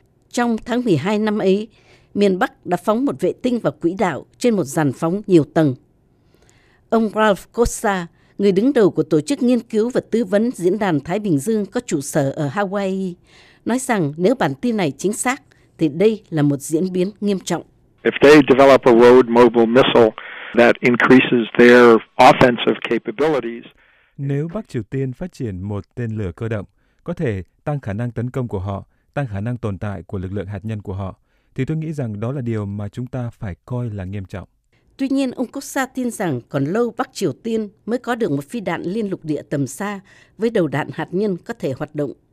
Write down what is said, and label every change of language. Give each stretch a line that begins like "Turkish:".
Vietnamese: Trong tháng 12 năm ấy, miền Bắc đã phóng một vệ tinh vào quỹ đạo trên một dàn phóng nhiều tầng. Ông Ralph Kosa, người đứng đầu của Tổ chức Nghiên cứu và Tư vấn Diễn đàn Thái Bình Dương có trụ sở ở Hawaii, nói rằng nếu bản tin này chính xác, thì đây là một diễn biến nghiêm trọng.
English: If they develop a road mobile missile that increases their offensive capabilities.
Vietnamese: Nếu Bắc Triều Tiên phát triển một tên lửa cơ động, có thể tăng khả năng tấn công của họ, tăng khả năng tồn tại của lực lượng hạt nhân của họ, thì tôi nghĩ rằng đó là điều mà chúng ta phải coi là nghiêm trọng. Tuy nhiên, ông Kosa tin rằng còn lâu Bắc Triều Tiên mới có được một phi đạn liên lục địa tầm xa với đầu đạn hạt nhân có thể hoạt động.